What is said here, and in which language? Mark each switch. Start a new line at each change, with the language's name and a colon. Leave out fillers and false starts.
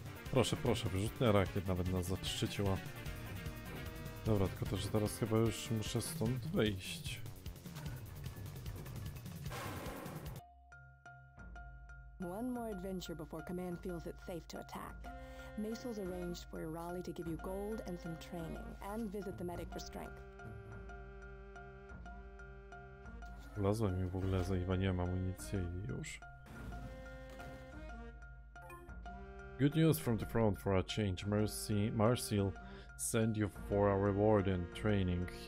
Polish: Proszę, proszę, wyrzutnia rakiet nawet nas zaszczyciła. Dobra, tylko to, że teraz chyba już muszę stąd wyjść.
English: One more adventure before command feels it safe to attack. Maisel's arranged for Irali to give you gold and some training and visit the medic for strength.
Polish: Wlazłem i w ogóle zajwa nie mam amunicji i już.
English: Good news from the front for a change. Marcel send you for a reward and training.